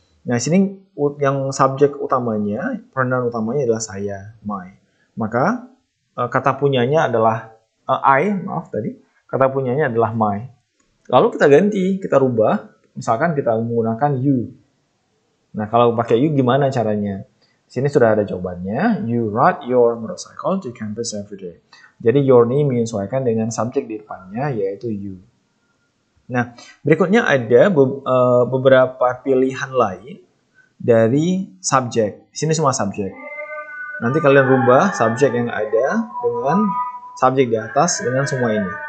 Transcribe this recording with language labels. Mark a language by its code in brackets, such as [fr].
[id] Nah, sini yang subjek utamanya, pronoun utamanya adalah saya, my. Maka, kata punyanya adalah I, maaf tadi, kata punyanya adalah my. Lalu kita ganti, kita rubah, misalkan kita menggunakan you. Nah, kalau pakai you gimana caranya? Sini sudah ada jawabannya. [en] You ride your motorcycle to campus every day. [id] Jadi, your name menyesuaikan dengan subjek di depannya, yaitu you. Nah, berikutnya ada beberapa pilihan lain dari subjek. Sini semua subjek. Nanti kalian rubah subjek yang ada dengan subjek di atas dengan semua ini.